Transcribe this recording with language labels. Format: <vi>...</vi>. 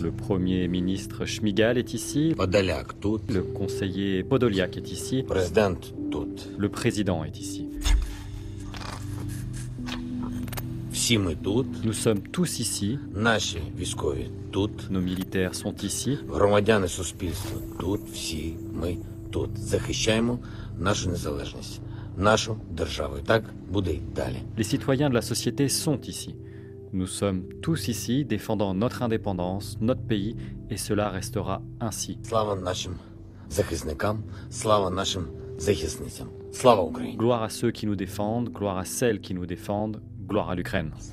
<fr>Le premier ministre Шмигаль est ici.</fr> <uk>Подоляк тут.</uk> <fr>Le conseiller Подоляк est ici.</fr> <uk>Президент тут.</uk> <fr>Le président est ici.</fr> <uk>Всі ми тут.</uk> <fr>Nous sommes tous ici.</fr> <uk>Наші військові тут.</uk> <fr>Nos militaires sont ici.</fr> <uk>Громадяни суспільства тут. Всі ми тут захищаємо нашу незалежність, нашу державу. Так буде й далі.</uk> <fr>Les citoyens de la société sont ici. Nous sommes tous ici défendant notre indépendance, notre pays, et cela restera ainsi.</fr> <uk>Слава нашим захисникам, слава нашим захисниця. Слава Україні!</uk> <fr>Gloire à ceux qui nous défendent, gloire à celles qui nous défendent, gloire à l'Ukraine.</fr>